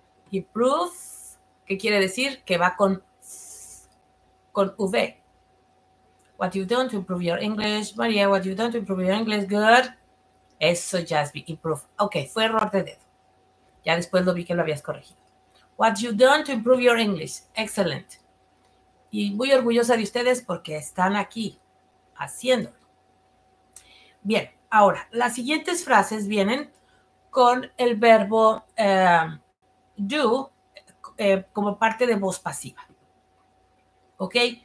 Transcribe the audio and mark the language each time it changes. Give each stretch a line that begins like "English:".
Spanish: Improve, ¿qué quiere decir? Que va con V.
English: What you've done to improve your English. María, what you've done to improve your English. Good.
Spanish: Eso, Jasby, improve. Ok, fue error de dedo. Ya después lo vi que lo habías corregido.
English: What you've done to improve your English. Excellent.
Spanish: Y muy orgullosa de ustedes porque están aquí haciéndolo. Bien. Ahora, las siguientes frases vienen con el verbo do como parte de voz pasiva. ¿Ok?